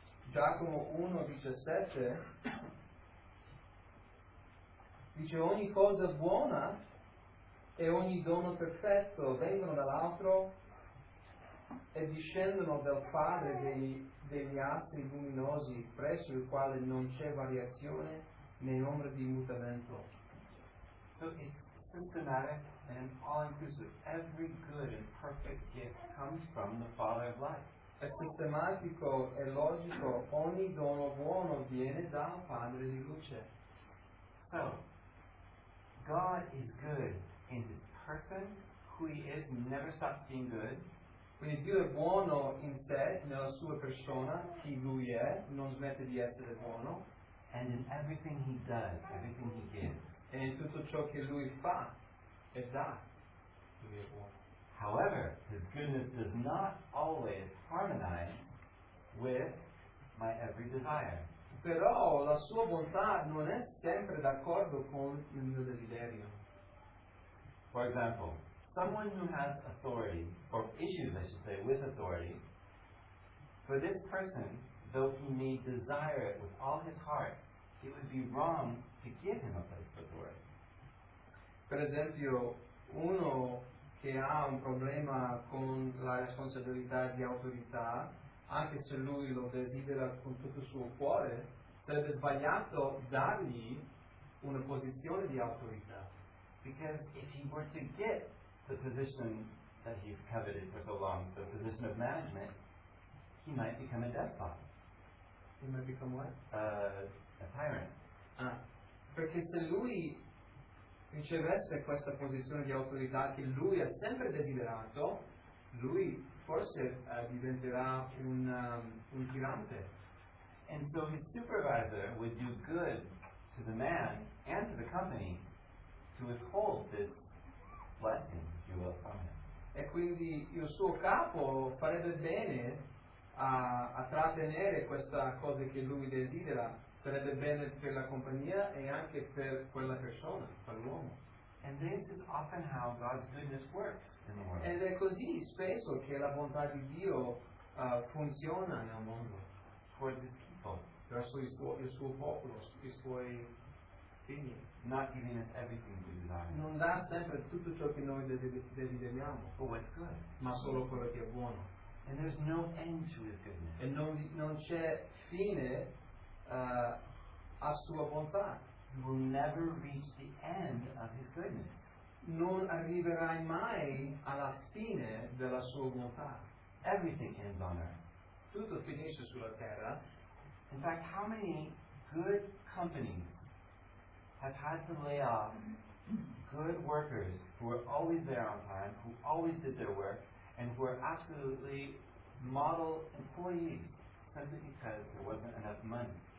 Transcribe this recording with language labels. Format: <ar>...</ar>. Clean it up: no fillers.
<it>Giacomo 1:17 dice: ogni cosa buona e ogni dono perfetto vengono dall'alto e discendono dal Padre degli astri luminosi, presso il quale non c'è variazione né ombra di mutamento.</it> <en>So it's systematic and all inclusive. Every good and perfect gift comes from the Father of life.</en> <it>È sistematico e logico, ogni dono buono viene dal Padre di luce.</it> <en>So, God is good in this person, who he is, never stops being good.</en> <it>Quindi Dio è buono in sé, nella sua persona, chi lui è, non smette di essere buono.</it> <en>And in everything he does, everything he gives.</en> <it>E in tutto ciò che lui fa, è da.</it> <en>However, his goodness does not always harmonize with my every desire.</en> <it>Però la sua bontà non è sempre d'accordo con il mio desiderio.</it> <en>For example, someone who has authority, or issues I should say, with authority, for this person, though he may desire it with all his heart, it would be wrong to give him a place of authority.</en> <it>Per esempio, uno che ha un problema con la responsabilità di autorità, anche se lui lo desidera con tutto il suo cuore, sarebbe sbagliato dargli una posizione di autorità.</it> <en>Because if he were to get the position that he's coveted for so long, the position of management, he might become a despot. He might become what? A tyrant.</en> <it>Perché se lui ricevesse questa posizione di autorità che lui ha sempre desiderato, lui forse diventerà un tirante.</it> <en>And so his supervisor would do good to the man and to the company to withhold this blessing, if you will, from him.</en> <it>E quindi il suo capo farebbe bene a trattenere questa cosa che lui desidera. Sarebbe bene per la compagnia e anche per quella persona, per l'uomo.</it> <en>And this is often how God's goodness works in the world.</en> <it>Ed è così spesso che la bontà di Dio funziona nel mondo.</it> <en>Towards his people.</en> <it>Verso il suo popolo, i suoi quindi</it> <en>not giving us everything we desire.</en> <it>Non dà sempre tutto ciò che noi desideriamo.</it> <en>But what's good?</en> <it>Ma solo quello che è buono.</it> <en>And there's no end to his goodness.</en> <it>E non c'è fine a sua bontà.</it> <en>Will never reach the end of his goodness.</en> <it>Non arriverai mai alla fine della sua bontà.</it> <en>Everything ends on earth.</en> <it>Tutto finisce sulla terra.</it> <en>In fact, how many good companies have had to lay off good workers who were always there on time, who always did their work, and who were absolutely model employees simply because there wasn't enough money?</en>